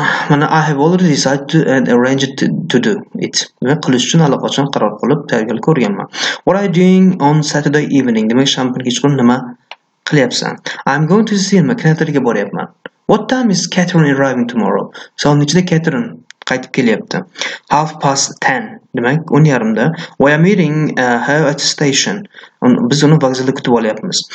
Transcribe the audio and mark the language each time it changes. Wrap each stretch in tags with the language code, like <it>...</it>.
<en>Mana I have already decided to and arranged to do it.</en> <uz>Men qilish uchun allaqachon qaror qilib tayyorgarlik ko'rganman.</uz> <en>What are you doing on Saturday evening?</en> <uz>Demak, shanba kuni kechqurun nima qilyapsan?</uz> <en>I'm going to see my</en> <uz>Catherine'ga boryapman.</uz> <en>What time is Catherine arriving tomorrow?</en> <uz>Soat nechida Catherine qaytib kelyapti? 10:30. Demak, 10:30.</uz> <en>We are meeting her at the station.</en> <uz>Biz uni vokzalda kutib olyapmiz.</uz>